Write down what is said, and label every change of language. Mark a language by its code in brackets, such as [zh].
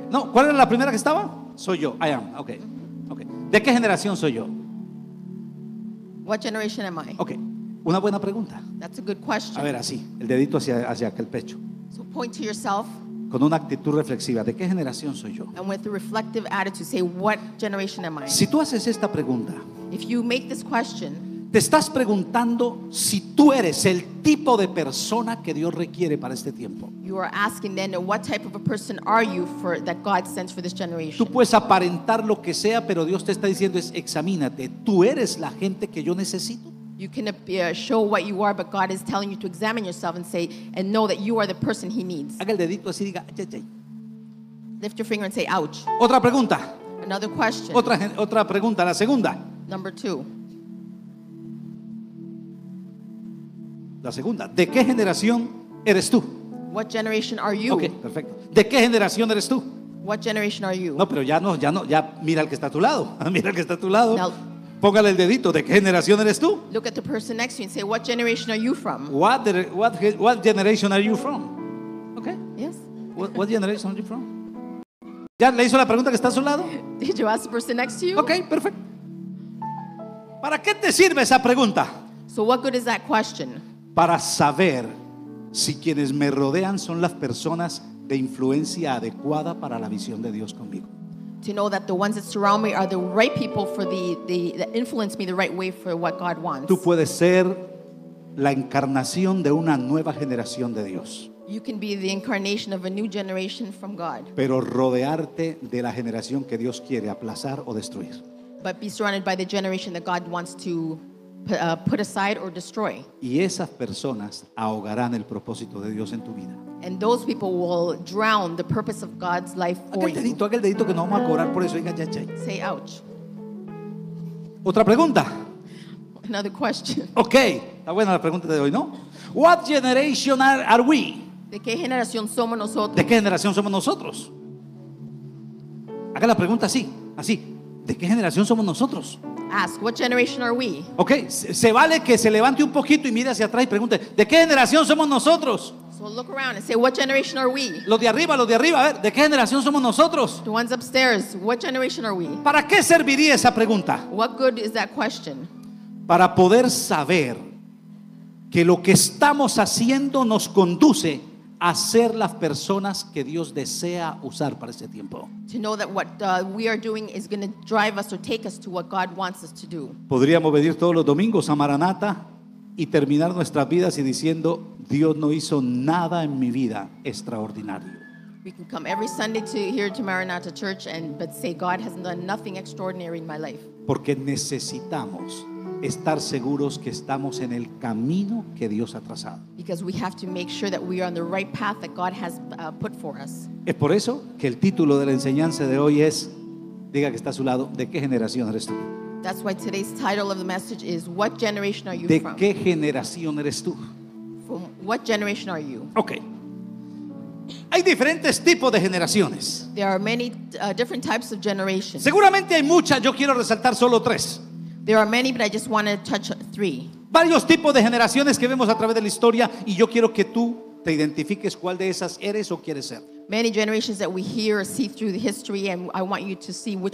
[es] No, ¿cuál era la primera que estaba? Soy yo. [en] I am. Okay. Okay. [es] ¿De qué generación soy yo? [en] What generation am I? [es] Okay. Una buena pregunta. [en] That's a good question. [es] A ver, así, el dedito hacia el pecho. [en] So point to yourself. [es] con una actitud reflexiva, ¿de qué generación soy yo? [en] And with a reflective attitude, say, what generation am I? [es] Si tú haces esta pregunta, [en] if you make this question, [es] te estás preguntando si tú eres el tipo de persona que Dios requiere para este tiempo. [en] You are asking then, what type of a person are you for that God sends for this generation? [es] Tú puedes aparentar lo que sea, pero Dios te está diciendo es, examínate, tú eres la gente que yo necesito. [en] You can show what you are, but God is telling you to examine yourself and say and know that you are the person He needs. [es] Haga el dedito así, diga, ay, ay, ay. [en] Lift your finger and say, ouch. [es] Otra pregunta. [en] Another question. [es] Otra pregunta, la segunda. [en] Number two. [es] La segunda. ¿De qué generación eres tú? [en] What generation are you? [es] Okay, perfecto. ¿De qué generación eres tú? [en] What generation are you? [es] No, pero ya no, ya no, ya mira al que está a tu lado. Mira al que está a tu lado. [en] Now, [es] póngale el dedito, ¿de qué generación eres tú? [en] Look at the person next to you and say, what generation are you from? What generation are you from? Okay. Yes. What generation are you from? [es] ¿Ya le hizo la pregunta que está a su lado? [en] Did you ask the person next to you? [es] Okay, perfecto. ¿Para qué te sirve esa pregunta? [en] So what good is that question? [es] Para saber si quienes me rodean son las personas de influencia adecuada para la visión de Dios conmigo. [en] To know that the ones that surround me are the right people for the that influence me the right way for what God wants. [es] Tú puedes ser la encarnación de una nueva generación de Dios. [en] You can be the incarnation of a new generation from God. [es] Pero rodearte de la generación que Dios quiere aplazar o destruir. [en] But be surrounded by the generation that God wants to put aside or destroy. [es] Y esas personas ahogarán el propósito de Dios en tu vida. [en] And those people will drown the purpose of God's life for you. [es] Haga el dedito que no vamos a cobrar por eso. Diga, ya, ya. [en] Say ouch. [es] Otra pregunta. [en] Another question. [es] Okay, está buena la pregunta de hoy, ¿no? [en] What generation are we? [es] ¿De qué generación somos nosotros? ¿De qué generación somos nosotros? Haga la pregunta así, así. ¿De qué generación somos nosotros? [en] Ask, what generation are we? [es] Okay, se vale que se levante un poquito y mire hacia atrás y pregunte, ¿de qué generación somos nosotros? [en] So look around and say, what generation are we? [es] Los de arriba, a ver, ¿de qué generación somos nosotros? [en] The ones upstairs, what generation are we? [es] ¿Para qué serviría esa pregunta? [en] What good is that question? [es] Para poder saber que lo que estamos haciendo nos conduce a ser las personas que Dios desea usar para este tiempo. [en] To know that what we are doing is going to drive us or take us to what God wants us to do. [es] Podríamos venir todos los domingos a Maranata y terminar nuestras vidas y diciendo, Dios no hizo nada en mi vida extraordinario. [en] We can come every Sunday to here to Maranata Church and but say God hasn't done nothing extraordinary in my life. [es] Porque necesitamos estar seguros que estamos en el camino que Dios ha trazado. [en] Because we have to make sure that we are on the right path that God has put for us. [es] Es por eso que el título de la enseñanza de hoy es, diga que está a su lado, ¿de qué generación eres tú? [en] That's why today's title of the message is, what generation are you [es] ¿De [en] from? [es] ¿De qué generación eres tú? [en] From what generation are you? Okay. [es] Hay diferentes tipos de generaciones. [en] There are many different types of generations. [es] Seguramente hay muchas, yo quiero resaltar solo tres. [en] There are many, but I just want to touch three. [es] Varios tipos de generaciones que vemos a través de la historia, y yo quiero que tú te identifiques cuál de esas eres o quieres ser. [en] Many generations that we hear or see through the history, and I want you to see which